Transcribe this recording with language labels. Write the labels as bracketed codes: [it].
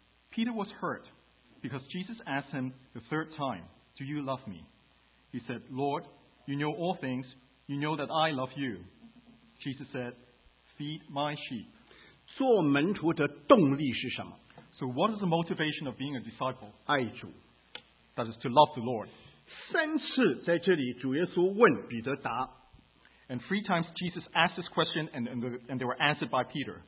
[en] Peter was hurt because Jesus asked him the third time, "Do you love me?" He said, "Lord, you know all things. You know that I love you." Jesus said, "Feed my sheep." [zh] 做门徒的动力是什么？ [en] So what is the motivation of being a disciple? [zh] 爱主。 [en] That is to love the Lord. [zh] 三次在这里主耶稣问彼得答。 [en] And three times Jesus asked this question, and they were answered by Peter.